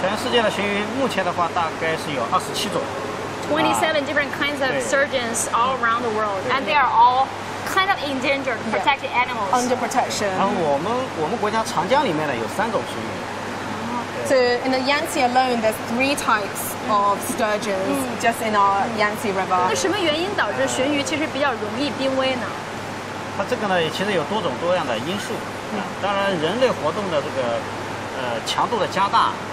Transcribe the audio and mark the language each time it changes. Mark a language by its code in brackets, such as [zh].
[zh] 40到50尾。哦，所以这是40到50尾。对，40到50尾。因为我们可以往上看，因为我知道，其实刚才一开始你也提到过，其实全世界的这个鲟鱼都是处于一种被保护的濒危的一个状态。全世界有多少种鲟？哦，这个是小的。对，这个是小的中华鲟。对对对。全世界的鲟鱼目前的话，大概是有27种。 [en] 27 different kinds of sturgeons all around the world, and they are all kind of endangered, protected animals. Under protection. [zh] 然后我们国家长江里面呢有三种鲟鱼。 [en] So in the Yangtze alone, there's 3 types of sturgeons just in our Yangtze River. [zh] 那什么原因导致鲟鱼其实比较容易濒危呢？它这个呢，其实有多种多样的因素。当然，人类活动的这个强度的加大。